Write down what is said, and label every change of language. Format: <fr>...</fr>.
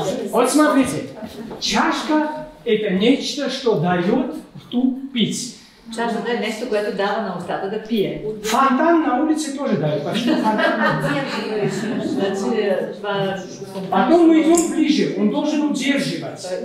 <ru>Вот смотрите, чашка – это нечто, что дает рту пить.</ru> <bg>Чашата е нещо, което дава на устата да пие.</bg> <ru>Фонтан на улице тоже</ru> <bg>дава.</bg> <ru>Потом мы идем ближе, он должен удерживать.</ru>